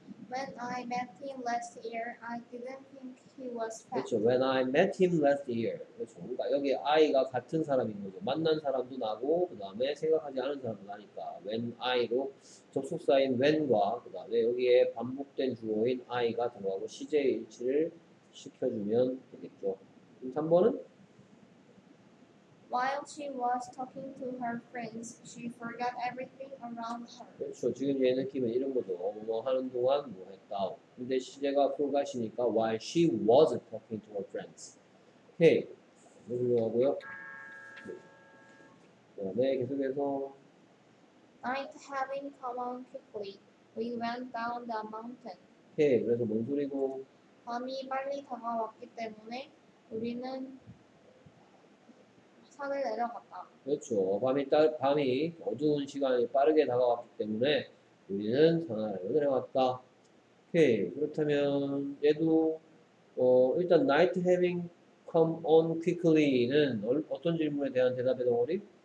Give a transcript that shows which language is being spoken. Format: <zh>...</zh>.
<en>When I met him last year, I didn't think he was fat.</en> <ko>그렇죠.</ko> <en>When I met him last year. 그렇죠.</en> <ko>그러니까 여기 I가 같은 사람인 거죠. 만난 사람도 나고 그 다음에 생각하지 않은 사람도 나니까 When I로 접속사인 When과 그 다음에 여기에 반복된 주어인 I가 들어가고 시제의 일치를 시켜주면 되겠죠. 그럼 3번은</ko> <en>While she was talking to her friends, she forgot everything around her.</en> <ko>그렇죠. 지금 얘 느낌은 이런 거죠. 뭐 하는 동안 뭐 했다. 근데 시제가 forgot이니까</ko> <en>while she was talking to her friends.</en> <ko>오케이. 너무 훌륭하고요. 네, 계속해서.</ko> <en>Night having come on quickly, we went down the mountain.</en> <ko>오케이. 그래서 뭔 소리고? 밤이 빨리 다가왔기 때문에 우리는 산을 내려갔다. 그렇죠. 밤이 어두운 시간이 빠르게 다가왔기 때문에 우리는 산을 내려갔다. 오케이. 그렇다면 얘도 일단</ko> <en>night having come on quickly</en> <ko>는 어떤 질문에 대한 대답의 덩어리?</ko>